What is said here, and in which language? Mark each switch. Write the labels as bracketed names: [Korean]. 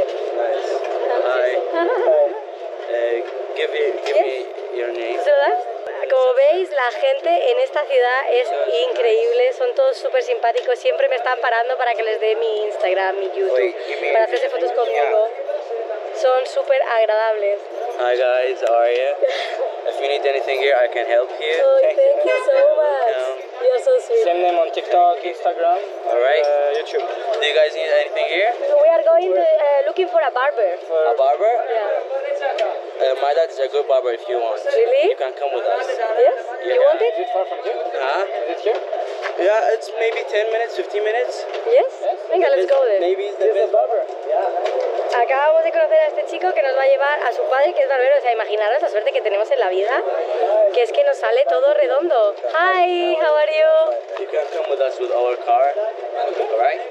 [English] Nice. Hi. Give me your name. [Spanish] Como veis, la gente en esta ciudad es increíble. Son todos súper simpáticos. Siempre me están parando para que les dé mi Instagram, mi YouTube, para hacerse fotos conmigo. Son súper agradables. [English] Hi guys, how are you? If you need anything here, I can help you. Oh, thank you so much. You're so sweet. Same name on TikTok, Instagram, all right. YouTube. Do you guys need anything here? We are going to, looking for a barber. A barber? Yeah. My dad is a good barber if you want. Really? You can come with us. Yes? You yeah. want it? Is it far from here? Huh? Is it here? Yeah, it's maybe 10 minutes, 15 minutes. Yes? Venga, yes. Let's go there. Maybe it's the best barber. [Spanish] Acabamos de conocer a este chico que nos va a llevar a su padre, que es barbero. O sea, imaginaros la suerte que tenemos en la vida, que es que nos sale todo redondo. [English] Hi, how are you? You can come with us with our car, right?